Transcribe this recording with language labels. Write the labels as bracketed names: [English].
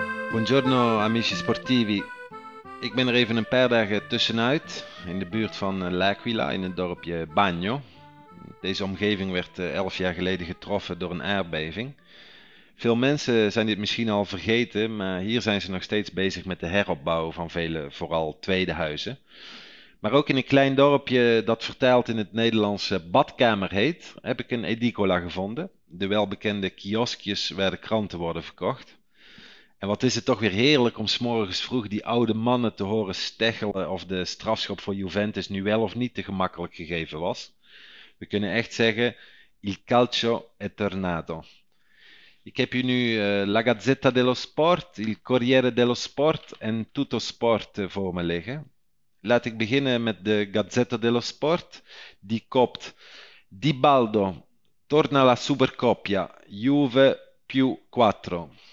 [Italian] Buongiorno amici sportivi. [Dutch] Ik ben er even een paar dagen tussenuit in de buurt van L'Aquila in het dorpje Bagno. Deze omgeving werd 11 jaar geleden getroffen door een aardbeving. Veel mensen zijn dit misschien al vergeten, maar hier zijn ze nog steeds bezig met de heropbouw van vele, vooral tweede huizen. Maar ook in een klein dorpje dat vertaald in het Nederlandse badkamer heet, heb ik een edicola gevonden. De welbekende kioskjes waar de kranten worden verkocht. En wat is het toch weer heerlijk om 's morgens vroeg die oude mannen te horen steggelen of de strafschop voor Juventus nu wel of niet te gemakkelijk gegeven was. We kunnen echt zeggen, [Italian] il calcio è tornato. [Dutch] Ik heb u nu La Gazzetta dello Sport, il Corriere dello Sport en Tutto Sport voor me liggen. Laat ik beginnen met de Gazzetta dello Sport, die kopt [Italian] Di Baldo, torna la Supercoppa, Juve più 4.